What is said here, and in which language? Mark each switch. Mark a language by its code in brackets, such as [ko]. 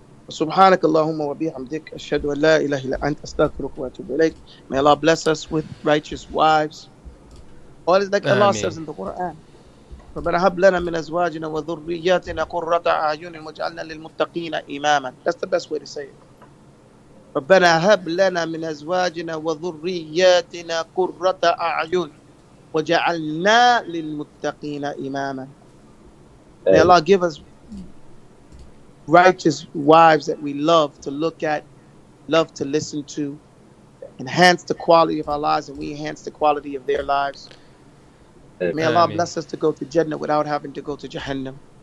[ar] سبحانك اللهم وبحمدك أشهد أن لا إله إلا أنت أستغفرك وأتوب إليك. [en] May Allah bless us with righteous wives. All is like Ameen. Allah says in the Quran. [ar] ربنا هب لنا من أزواجنا وذرياتنا قرة أعين واجعلنا للمتقين إماما. [en] That's the best way to say it. [ar] ربنا هب لنا من أزواجنا وذرياتنا قرة أعين واجعلنا للمتقين إماما. [en] May Allah give us righteous wives that we love to look at, love to listen to, enhance the quality of our lives, and we enhance the quality of their lives. May Allah bless us to go to Jannah without having to go to Jahannam.